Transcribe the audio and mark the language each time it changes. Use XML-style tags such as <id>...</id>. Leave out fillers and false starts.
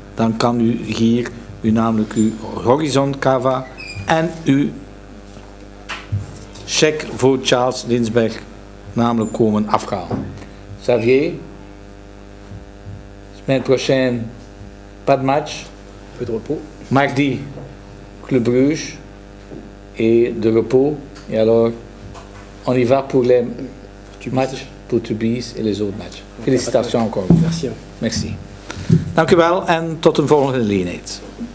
<nl>Dan kan u hier u namelijk uw Horizon Cava en uw cheque voor Charles Lindbergh namelijk komen afhalen.</nl> <fr>Xavier, semaine prochaine, pas de match. Peu de repos. Mardi, Club Bruges et de repos. Et alors, on y va pour les matchs pour Tubis et les autres matchs. Félicitations encore. Merci. Merci.</fr> <nl>Dank u wel en tot een volgende lineage.</nl>